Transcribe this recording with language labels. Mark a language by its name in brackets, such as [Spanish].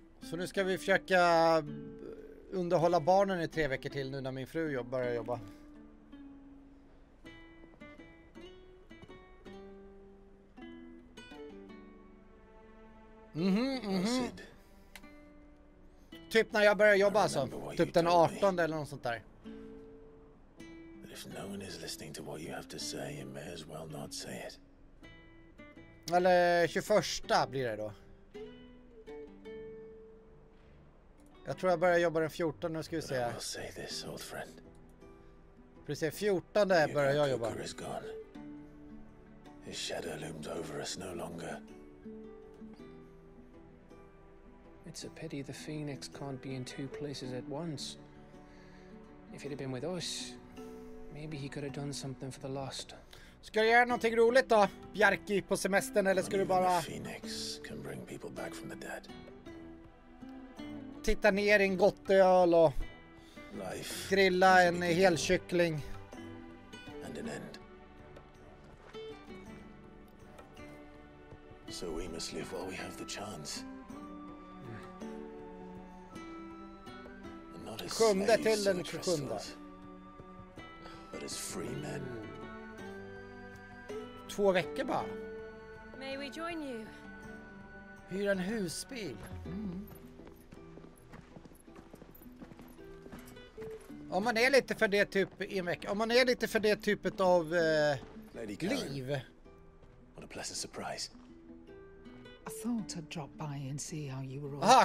[Swedish] Så nu ska vi försöka underhålla barnen i tre veckor till. Nu när min fru börjar jobba. Sid. Typ när jag börjar jobba alltså, typ den 18 eller något sånt där. [English] But if no one is listening to what you have to say, you may as well not say it. [Swedish] Eller 21 blir det då. Jag tror jag börjar jobba den 14, nu ska vi se. [English] I will say this, old friend. [Swedish] Precis, 14 där börjar jag jobba. [English] His shadow looms over us no longer. It's a pity the Phoenix can't be in two places at once. If it had been with us, maybe he could have done something for the lost. [Swedish] Ska du göra någonting roligt då, Bjarki, på semestern, eller ska du bara... [English] Phoenix can bring people back from the dead. [Swedish] Titta ner i en gott öl och grilla en hel kyckling. [English] And an end. So we must live while we have the chance. [Swedish] Sjunde till den 27. [English] But as free men. [Swedish] Två veckor bara. [English] May we join you? [Swedish] Hyr en husbil. Om man är lite för det typ i en vecka. Om man är lite för det typet av [English] Lady [Swedish] liv. [English] What a pleasant surprise. I thought I'd drop by and see how you were all